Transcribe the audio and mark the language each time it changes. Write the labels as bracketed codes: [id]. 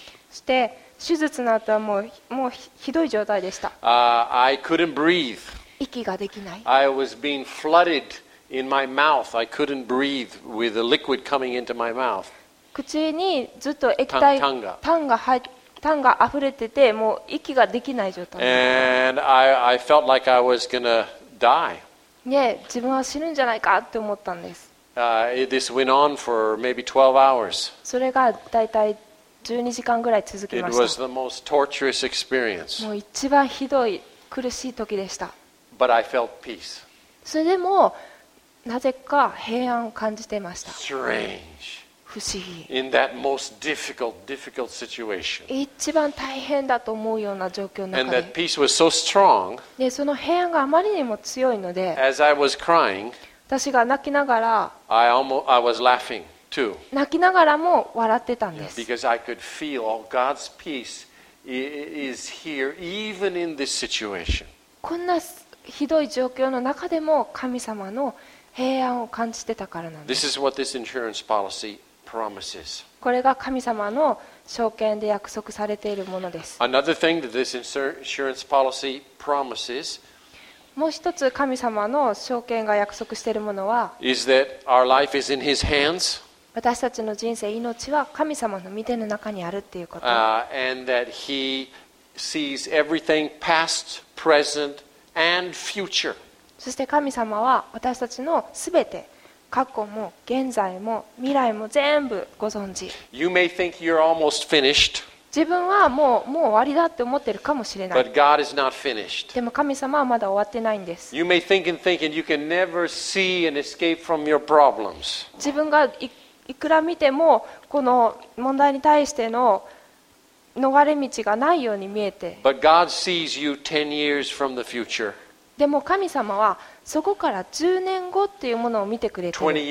[ja] そして手術の後はもうひどい状態でした。 [en] I couldn't breathe. [ja] 息ができない。 [en] I was being flooded in my mouth. I couldn't breathe with the liquid coming into my mouth. [ja] 口にずっと液体、タンが溢れてて、もう息ができない状態。 [en] And I felt like I was gonna die. [ja] ね、自分は死ぬんじゃないかって思ったんです。 [en] This went on for maybe 12 hours. [ja] それがだいたい12時間ぐらい続きました。 [en] It was the most torturous experience. [ja] もう一番ひどい苦しい時でした。 [en] But I felt peace. [ja] それでもなぜか平安を感じていました。 [en] Strange. [ja] 不思議。 [en] In that most difficult situation. [ja] 一番大変だと思うような状況の中で。 [en] And that peace was so strong. [ja] でその平安があまりにも強いので。 [en] As I was crying. [ja] 私が泣きながら。 [en] I was laughing too. [ja] 泣きながらも笑ってたんです。 [en] Because I could feel all God's peace is here even in this situation. [ja] こんなひどい状況の中でも神様の平安を感じてたからなんです。 [en] This is what this insurance policy promises. [ja] これが神様の証券で約束されているものです。 [en] Another thing that this insurance policy promises. [ja] もう一つ神様の証券が約束しているものは、 [en] is that our life is in His hands. [ja] 私たちの人生、命は神様の御手の中にあるっていうこと。 [en] And that He sees everything past, present, and future. [ja] そして神様は私たちのすべて、過去も現在も未来も全部ご存知。 [en] You may think you're almost finished. [ja] 自分はもう終わりだって思ってるかもしれない。 [en] But God is not finished. [ja] でも神様はまだ終わってないんです。 [en] You may think and think and you can never see an escape from your problems. [ja] 自分がいくら見てもこの問題に対しての逃れ道がないように見えて。 [en] But God sees you 10 years from the future. [ja] でも神様はそこから10年後っていうものを見てくれている。